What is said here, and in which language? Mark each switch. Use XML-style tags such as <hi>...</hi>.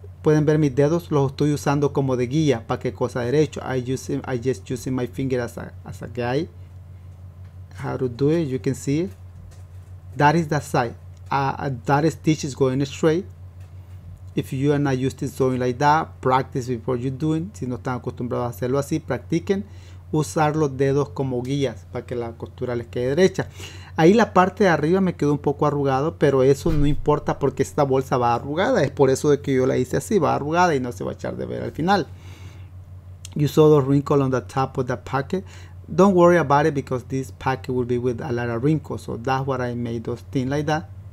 <es>Pueden ver mis dedos, los estoy usando como de guía para que cosa derecho.</es> <en>I just using my finger as a guide. How to do it, you can see it. That is the side. That stitch is going straight. If you are not used to sewing like that, practice before you doing.</en> <es>Si no están acostumbrados a hacerlo así, practiquen. Usar los dedos como guías para que la costura les quede derecha. Ahí la parte de arriba me quedó un poco arrugado, pero eso no importa porque esta bolsa va arrugada. Es por eso de que yo la hice así, va arrugada y no se va a echar de ver al final.</es> <en>You saw the wrinkle on the top of the pocket. Don't worry about it because this packet will be with a lot of wrinkles. So that's what I made those thin like that.</en>